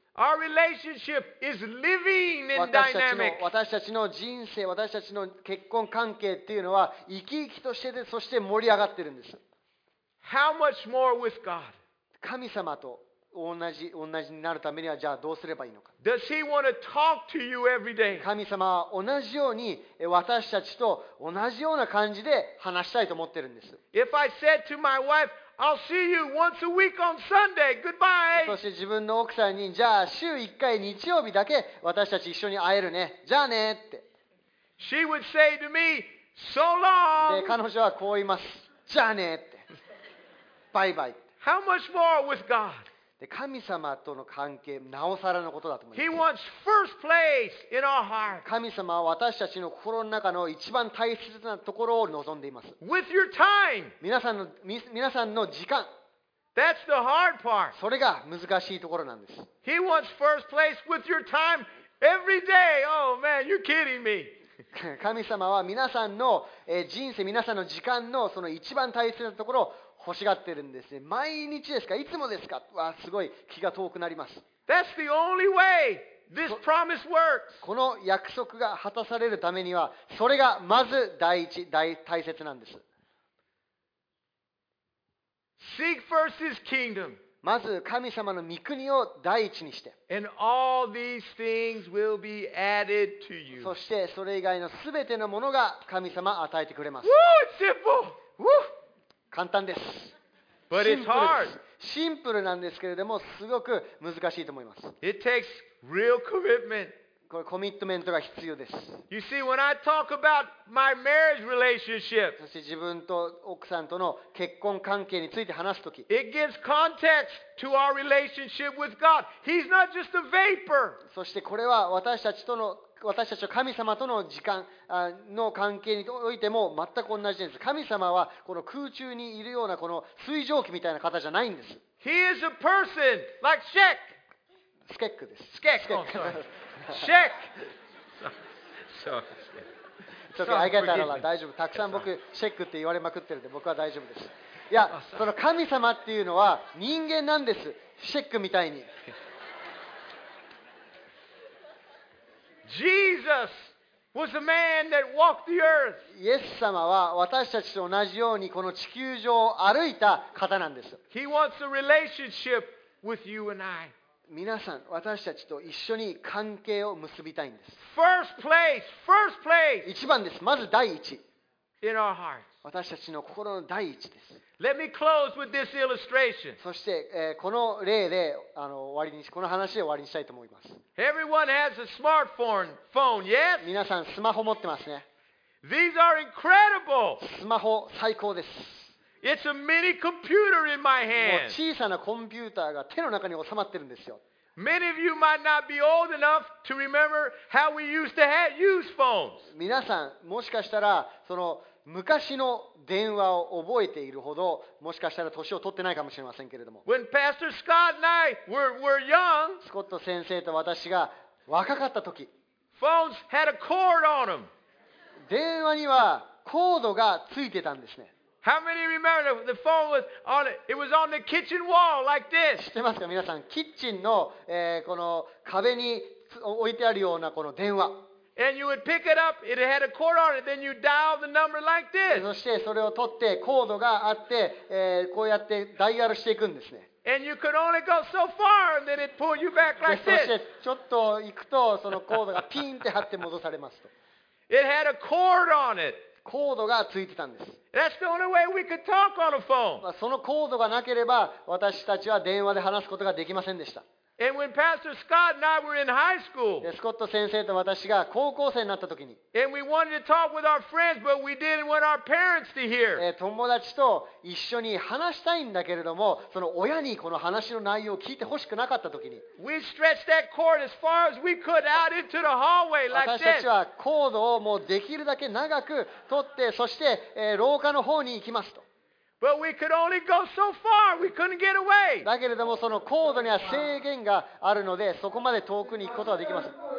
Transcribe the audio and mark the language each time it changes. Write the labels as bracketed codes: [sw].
[en] Our relationship is living and dynamic. [ja] 私たちの人生、私たちの結婚関係っていうのは生き生きとしてて、そして盛り上がってるんです。 [en] How much more with God? [ja] 神様と同じになるためにはじゃあどうすればいいのか。 [en] Does he want to talk to you every day? [ja] 神様は同じように私たちと同じような感じで話したいと思ってるんです。 [en] If I said to my wife, I'll see you once a week on Sunday. Goodbye. [ja] そして自分の奥さんにじゃあ週1回日曜日だけ私たち一緒に会えるね。じゃあねって。 [en] She would say to me, so long. [ja] で彼女はこう言います。じゃあねって。バイバイ。 [en] How much more with God? [ja] 神様との関係、なおさらのことだと思います。 [en] He wants first place in our heart. [ja] 神様は私たちの心の中の一番大切なところを望んでいます。 [en] With your time. [ja] 皆さんの時間。 [en] That's the hard part. [ja] それが難しいところなんです。 [en] He wants first place with your time every day. Oh man, you're kidding me. [ja] 神様は皆さんの人生、皆さんの時間のその一番大切なところを欲しがってるんですね。毎日ですか？いつもですか？わあ、すごい気が遠くなります。 [en] That's the only way this promise works. [ja] この約束が果たされるためには、それがまず大切なんです。 [en] Seek first his kingdom. [ja] まず神様の御国を第一にして。 [en] And all these things will be added to you. [ja] そしてそれ以外のすべてのものが神様与えてくれます。 [en] Woo, it's simple. [ja] Woo, 簡単です。 [en] But it's hard. [ja] シンプルなんですけれどもすごく難しいと思います。 [en] It takes real commitment. [ja] これコミットメントが必要です。 [en] You see, when I talk about my marriage relationship, [ja] そして自分と奥さんとの結婚関係について話すとき、 [en] it gives context to our relationship with God. He's not just a vapor. [ja] そしてこれは私たちの神様との時間の関係においても全く同じです。神様はこの空中にいるようなこの水蒸気みたいな方じゃないんです。 [en] He is a person like Sheck. [ja] スケックです。スケック。シェック。そう。ちょっと相方なら大丈夫。たくさん僕シェックって言われまくってるんで僕は大丈夫です。いや、その神様っていうのは人間なんです。シェックみたいに。 [en] Jesus was a man that walked the earth. [ja] イエス様は私たちと同じようにこの地球上を歩いた方なんです。 [en] He wants a relationship with you and I. [ja] 皆さん、私たちと一緒に関係を結びたいんです。 [en] First place, first place. [ja] 一番です。まず第一。 [en] In our hearts. [ja] 私たちの心の第一です。 [en] Let me close with this illustration. [ja] そして、この例で終わりにこの話で終わりにしたいと思います。 [en] Everyone has a smartphone, phone, yes? [ja] 皆さん、スマホ持ってますね。 [en] These are incredible. [ja] スマホ最高です。 [en] It's a mini computer in my hand. [ja] 小さなコンピューターが手の中に収まってるんですよ。 [en] Many of you might not be old enough to remember how we used to use phones. [ja] 皆さんもしかしたらその昔の電話を覚えているほどもしかしたら年を取ってないかもしれませんけれども。 [en] When Pastor Scott and I were young, [ja] スコット先生と私が若かった時、 [en] phones had a cord on them. [ja] 電話にはコードがついてたんですね。 [en] How many remember the phone was on it? It was on the kitchen wall like this. [ja] 知ってますか皆さん、キッチンの、この壁に置いてあるようなこの電話。 [en] And you would pick it up. It had a cord on it. Then you dial the number like this. [ja] そしてそれを取ってコードがあって、こうやってダイヤルしていくんですね。 [en] And you could only go so far, and then it pulled you back like this. [ja] そしてちょっと行くとそのコードがピンって張って戻されますと。 [en] It had a cord on it. [ja] コードがついてたんです。 [en] That's the only way we could talk on a phone. [ja] そのコードがなければ私たちは電話で話すことができませんでした。 [en] And when Pastor Scott and I were in high school, [ja] スコット先生と私が高校生になったときに、 [en] And we wanted to talk with our friends, but we didn't want our parents to hear. [ja] 友達と一緒に話したいんだけれども、その親にこの話の内容を聞いてほしくなかったときに、 [en] We stretched that cord as far as we could out into the hallway like this. [ja] 私たちはコードをもうできるだけ長く取って、そして廊下の方に行きますと。 [en] But we could only go so far. We couldn't get away. [ja] だけれどもそのコードには制限があるので、そこまで遠くに行くことはできません。